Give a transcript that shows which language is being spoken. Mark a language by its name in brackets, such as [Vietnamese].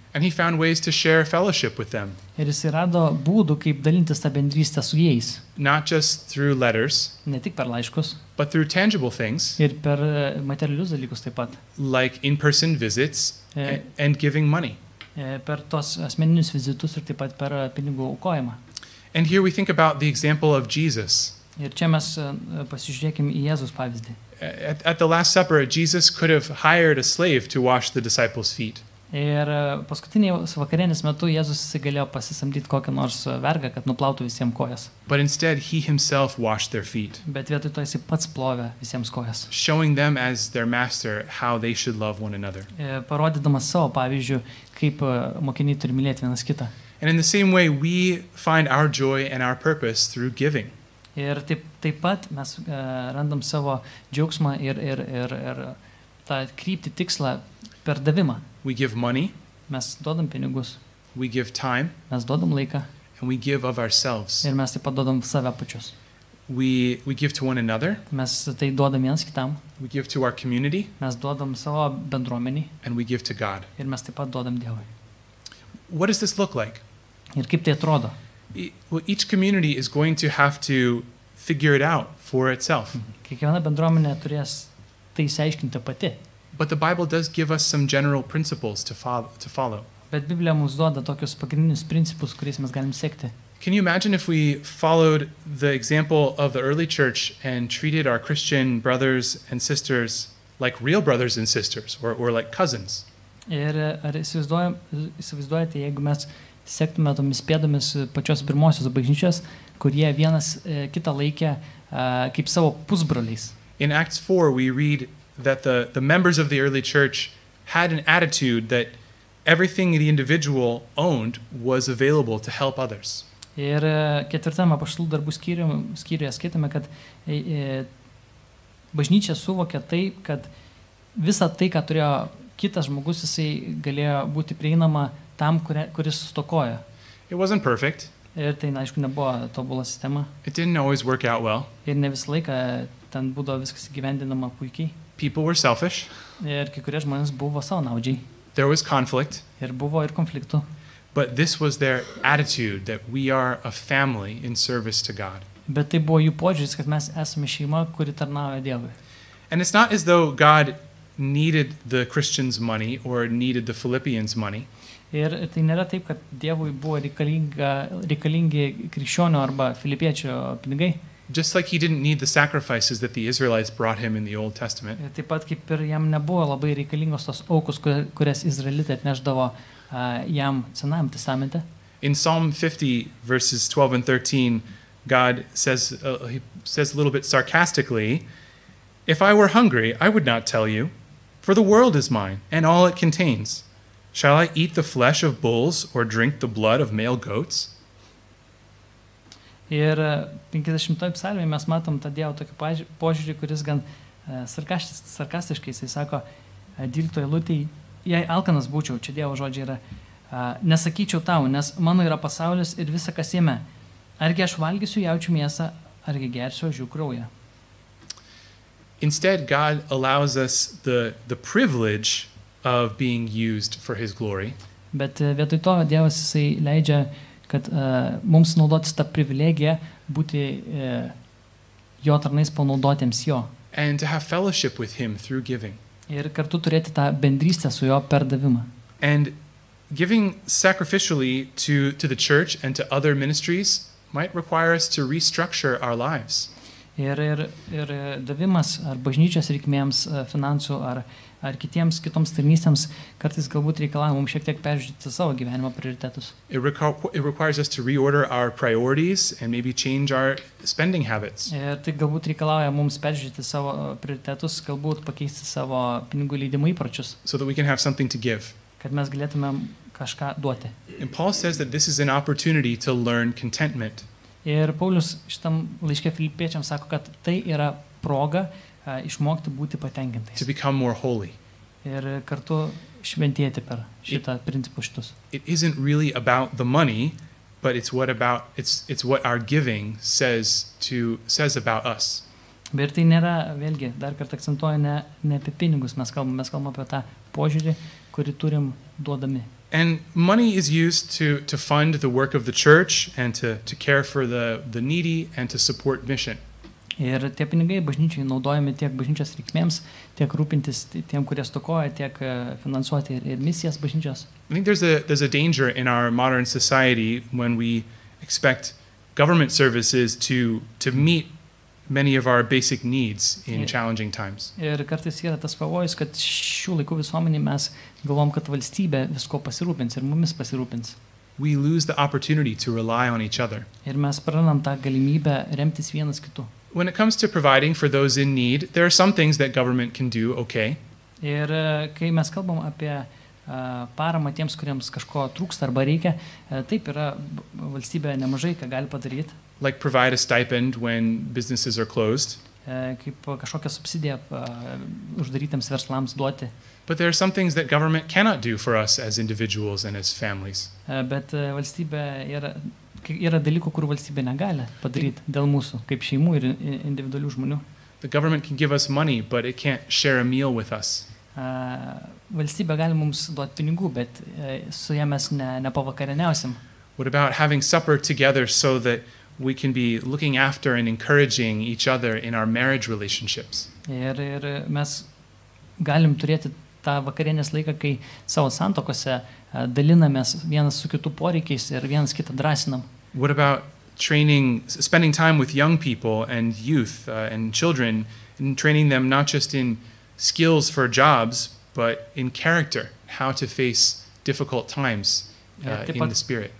[English] And he found ways to share fellowship with them. [Lithuanian] Ir jis rado būdų, kaip dalintis tą bendrystę su jais. [English] Not just through letters. [Lithuanian] Ne tik per laiškus. [English] But through tangible things. [Lithuanian] Ir per materialius dalykus taip pat. [English] Like in-person visits and giving money. [Lithuanian] Per tos asmeninius vizitus ir taip pat per pinigų aukojimą. [English] And here we think about the example of Jesus. [Lithuanian] Ir čia mes pasižiūrėkime į Jėzus pavyzdį. [English] At the Last Supper, Jesus could have hired a slave to wash the disciples' feet. [Lithuanian] Ir paskutinį vakarienės metu Jėzus galėjo pasisamdyti kokią nors vergą, kad nuplautų visiems kojas. [English] But instead, he himself washed their feet. [Lithuanian] Bet vietoj to jisai pats plovė visiems kojas. [English] Showing them as their master how they should love one another. [Lithuanian] Parodydamas savo pavyzdžių, kaip mokiniai turi mylėti vienas kitą. [English] And in the same way, we find our joy and our purpose through giving. [Lithuanian] Ir taip pat mes randam savo džiaugsmą ir tą kryptį tikslą per davimą. [English] We give money. [Lithuanian] Mes duodam pinigus. [English] We give time. [Lithuanian] Mes duodam laiką. [English] And we give of ourselves. [Lithuanian] Ir mes taip pat duodam save pačius. [English] We give to one another. [Lithuanian] Mes tai duodam vienas kitam. [English] We give to our community. [Lithuanian] Mes duodam savo bendruomenį. [English] And we give to God. [Lithuanian] Ir mes taip pat duodam Dievui. [English] What does this look like? [Lithuanian] Ir kaip tai atrodo? [English] Each community is going to have to figure it out for itself. [Lithuanian] Kiekviena bendruomenė turės tai išsiaiškinti pati. [English] But the Bible does give us some general principles to follow. [Lithuanian] Bet Biblija mums duoda tokius pagrindinius principus, kuriais mes galim sekti. [English] Can you imagine if we followed the example of the early church and treated our Christian brothers and sisters like real brothers and sisters or like cousins? [Lithuanian] Ir ar įsivaizduojate, jeigu mes sektume tomis pėdomis pačios pirmosios bažnyčios, kurie vienas kitą laikė kaip savo pusbroliais? [English] In Acts 4 we read that the members of the early church had an attitude that everything the individual owned was available to help others. [Lithuanian] Ir ketvirtame apaštalų darbų skyriuje skaitome, kad bažnyčia suvokė taip, kad visa tai, ką turėjo kitas žmogus, jisai galėjo būti prieinama tam, kuris stokojo. [English] It wasn't perfect. [Lithuanian] Ir tai, aišku, nebuvo tobula sistema. [English] It didn't always work out well. [Lithuanian] Ir ne visą laiką ten būdavo viskas įgyvendinama puikiai. [English] People were selfish. [Lithuanian] Ir kai kurie žmonės buvo savanaudžiai. [English] There was conflict. [Lithuanian] Ir buvo ir konfliktų. [English] But this was their attitude that we are a family in service to God. [Lithuanian] Bet tai buvo jų požiūris, kad mes esame šeima, kuri tarnauja Dievui. [English] And it's not as though God needed the Christians' money or needed the Philippians' money. [Lithuanian] Ir tai nėra taip, kad Dievui buvo reikalingi krikščionių arba filipiečių pinigai. [English] Just like he didn't need the sacrifices that the Israelites brought him in the Old Testament. [Lithuanian] Ir taip pat kaip ir jam nebuvo labai reikalingos tos aukos, kurias Izraelitai atnešdavo jam Senajam Testamente. [English] In Psalm 50 verses 12 and 13, God says he says a little bit sarcastically, "If I were hungry, I would not tell you, for the world is mine and all it contains. Shall I eat the flesh of bulls or drink the blood of male goats?" [Lithuanian] Ir 50-oji psalmė mes matom tą Dievo tokį požiūrį, kuris gan sarkastiškai, jis sako, 12 eilutėje, jei alkanas būčiau, čia Dievo žodžiai yra, nesakyčiau tau, nes mano yra pasaulis ir visa kas jame. Argi aš valgysiu jaučių mėsą, argi gersiu ožių kraują. [English] Instead, God allows us the privilege of being used for his glory. [Lithuanian] Bet vietoj to Dievas jisai leidžia kad mums naudotis tą privilegiją būti jo tarnais panaudotiems jo. [English] And to have fellowship with him through giving. [Lithuanian] Ir kartu turėti tą bendrystę su jo perdavimą. [English] And giving sacrificially to the church and to other ministries might require us to restructure our lives. [Lithuanian] Ir davimas ar bažnyčios reikmėms finansų ar kitoms tarnystėms kartais galbūt reikalavo mums šiek tiek peržiūrėti savo gyvenimo prioritetus. [English] It requires us to reorder our priorities and maybe change our spending habits. [Lithuanian] Ir tai galbūt reikalauja mums peržiūrėti savo prioritetus, galbūt pakeisti savo pinigų leidimo įpročius. [English] So that we can have something to give. [Lithuanian] Kad mes galėtumėm kažką duoti. [English] And Paul says that this is an opportunity to learn contentment. [Lithuanian] Ir Paulius šitam laiške Filipiečiams sako, kad tai yra proga išmokti būti patenkintais. [English] To become more holy. [Lithuanian] Ir kartu šventėti per šitą principų šitus. [English] It isn't really about the money, but it's what our giving says about us. [Lithuanian] Bet tai nėra, vėlgi, dar kartą akcentuoju, ne apie pinigus mes kalbam apie tą požiūrį, kurį turim duodami. [English] And money is used to fund the work of the church and to care for the needy and to support mission. [Lithuanian] Ir tie pinigai bažnyčiai naudojami tiek bažnyčios reikmėms, tiek rūpintis tiem, kurie stokoja, tiek finansuoti ir misijas bažnyčios. [English] I think there's a danger in our modern society when we expect government services to meet many of our basic needs in challenging times. [Lithuanian] Ir kartais yra tas pavojus, kad šių laikų visuomenėje mes galvom, kad valstybė visko pasirūpins ir mumis pasirūpins. [English] We lose the opportunity to rely on each other. [Lithuanian] Ir mes prarandam tą galimybę remtis vienas kitu. [English] When it comes to providing for those in need, there are some things that government can do okay. [Lithuanian] Ir kai mes kalbam apie paramą tiems, kuriems kažko trūksta arba reikia, taip yra valstybė nemažai ką gali padaryti. [English] like provide a stipend when businesses are closed. [Lithuanian] Kaip kažkokią subsidiją uždarytiems verslams duoti. [English] But there are some things that government cannot do for us as individuals and as families. [Lithuanian] Bet valstybė yra dalykų, kur valstybė negali padaryti dėl mūsų, kaip šeimų ir individualių žmonių. [English] The government can give us money, but it can't share a meal with us. [Lithuanian] Valstybė gali mums duoti pinigų, bet su ja mes nepavakarieniausim. [English] What about having supper together so that we can be looking after and encouraging each other in our marriage relationships? [Lithuanian] Ir mes galim turėti tą vakarienės laiką, kai savo santokose dalinamės vienas su kitu poreikiais ir vienas kitą drąsinam. [English] What about training, spending time with young people and youth and children and training them not just in skills for jobs, but in character, how to face difficult times in the spirit.